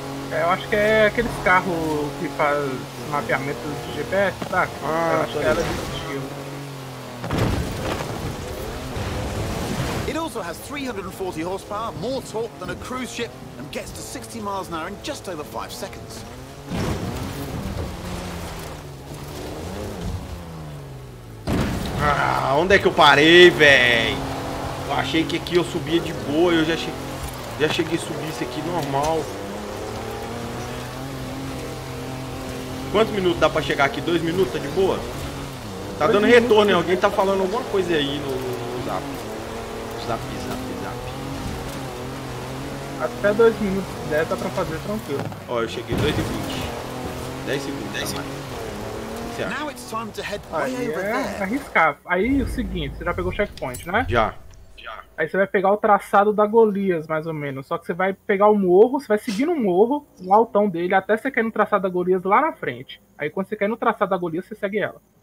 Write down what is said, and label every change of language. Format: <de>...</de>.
<pt>É, eu acho que é aqueles carros que faz mapeamento de GPS, tá? Ah, eu acho que ela é desse tipo.</pt> <en>It also has 340 horsepower, more torque than a cruise ship, and gets to 60 miles an hour in just over 5 seconds.</en> <pt>Ah, onde é que eu parei, velho? Eu achei que aqui eu subia de boa, eu já cheguei a subir isso aqui normal. Quantos minutos dá pra chegar aqui? 2 minutos, tá de boa? Tá dando retorno, alguém tá falando alguma coisa aí no zap. Zap. Até 2 minutos, se der, dá pra fazer tranquilo. Ó, eu cheguei 2:20. 10 segundos.</pt> <en>Now it's time to head way over there.</en> <pt>Arriscar. Aí é o seguinte, você já pegou o checkpoint, né? Já. Aí você vai pegar o traçado da Golias, mais ou menos. Só que você vai pegar o morro, você vai seguir no morro, no altão dele, até você cair no traçado da Golias lá na frente. Aí quando você cair no traçado da Golias, você segue ela.</pt>